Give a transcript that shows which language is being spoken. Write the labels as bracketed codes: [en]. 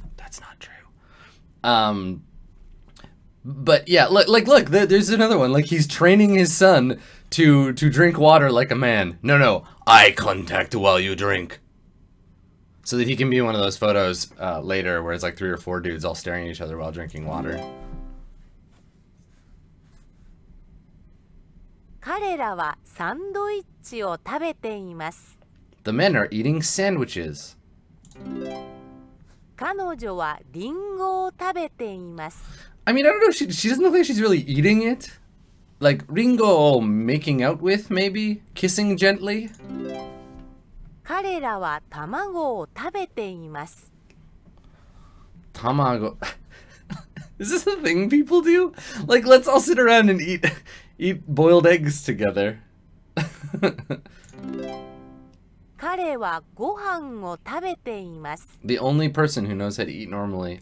[en] That's not true. But yeah, look, there's another one. Like he's training his son to drink water like a man. No, eye contact while you drink. So that he can be one of those photos later where it's like three or four dudes all staring at each other while drinking water. [ja] 彼らはサンドイッチを食べています。 [en] The men are eating sandwiches. [ja] 彼女はリンゴを食べています。 [en] I mean, I don't know, she doesn't look like she's really eating it. Like, リンゴを making out with, maybe? Kissing gently? [ja] 彼らは卵を食べています。 [en] 卵。Is this a thing people do? Like, let's all sit around and eat boiled eggs together. [ja] 彼はご飯を食べています。 [en] The only person who knows how to eat normally.